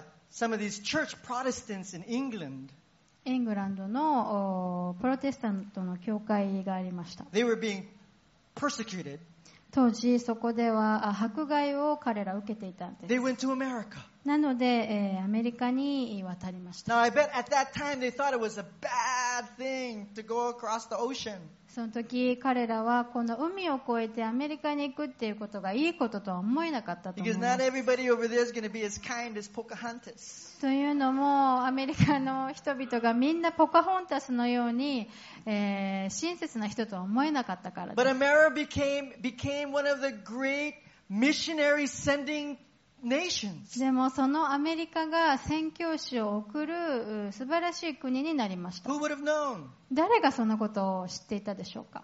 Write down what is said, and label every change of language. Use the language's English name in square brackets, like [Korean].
[English] some of these church Protestants in England, [Japanese] イングランドのプロテスタントの教会がありました。 [English] They were being persecuted. [Japanese] 当時そこでは迫害を彼ら受けていたんです。 [English] They went to America. [Japanese] なので、アメリカに渡りました。 [English] Now, I bet at that time they thought it was a bad thing to go across the ocean. [Japanese] その時彼らはこの海を越えてアメリカに行くっていうことがいいこととは思えなかったと思います。 [English] Because not everybody over there is going to be as kind as Pocahontas. [Japanese] というのもアメリカの人々がみんなポカホンタスのように、親切な人とは思えなかったからです。 [English] But America became one of the great missionary sending [Japanese] でもそのアメリカが宣教師を送る素晴らしい国になりました。誰がそのことを知っていたでしょうか。